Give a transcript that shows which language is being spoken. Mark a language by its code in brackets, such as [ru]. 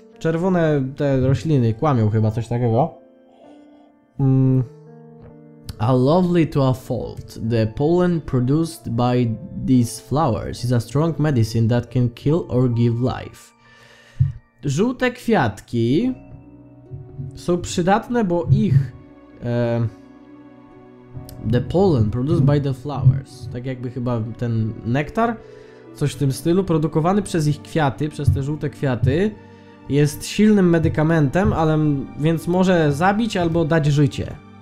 [pl] Czerwone te rośliny kłamią, chyba coś takiego. [en] A lovely to a fault. The pollen produced by these flowers is a strong medicine that can kill or give life. [pl] Żółte kwiatki są przydatne, bo ich [en] the pollen produced by the flowers, [pl] tak jakby chyba ten nektar, coś w tym stylu, produkowany przez ich kwiaty, przez te żółte kwiaty, jest silnym medykamentem, ale więc może zabić albo dać życie.